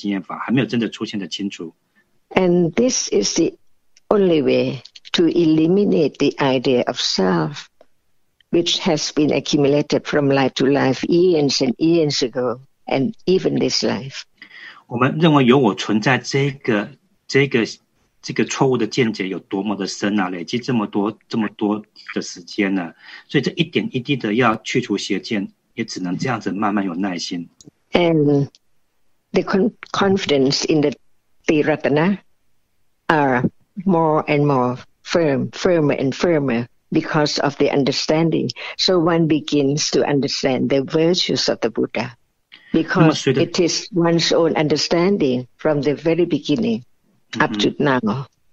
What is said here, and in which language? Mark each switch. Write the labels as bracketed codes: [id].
[zh] 这个重点还是在，还没有直接经验法之前呢，很快的注意到法呢，会以为当事者会以为他觉得看清楚了，看到法了。事实上，他还没有真正直接经验法，还没有真的出现的清楚。 [en] And this is the only way to eliminate the idea of self, which has been accumulated from life to life, eons and eons ago, and even this life. [zh] 我们认为有我存在这个。这个错误的见解有多么的深啊！累积这么多的时间呢，所以这一点一滴的要去除邪见，也只能这样子慢慢有耐心。 [en] And the confidence in the Tiratana are more and more firm, firmer and firmer because of the understanding. So one begins to understand the virtues of the Buddha because it is one's own understanding from the very beginning up to now.